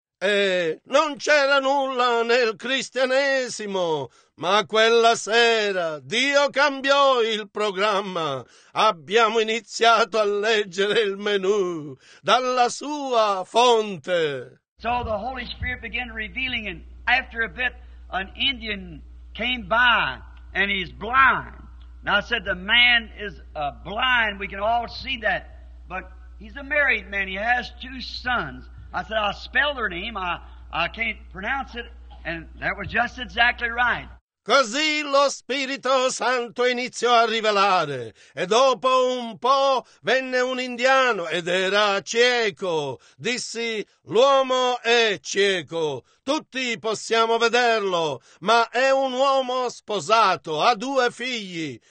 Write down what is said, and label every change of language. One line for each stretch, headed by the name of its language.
Italian: Non c'era nulla nel cristianesimo, ma quella sera Dio cambiò il programma. Abbiamo iniziato a leggere il menù dalla sua fonte.
English: So the Holy Spirit began revealing, and after a bit an Indian came by and he's blind. And I said, the man is blind, we can all see that, but he's a married man, he has 2 sons. I said, I'll spell their name, I can't pronounce it, and that was just exactly right.
Italian: Così lo Spirito Santo iniziò a rivelare, e dopo un po' venne un indiano ed era cieco. Dissi, l'uomo è cieco, tutti possiamo vederlo, ma è un uomo sposato, ha 2 figli.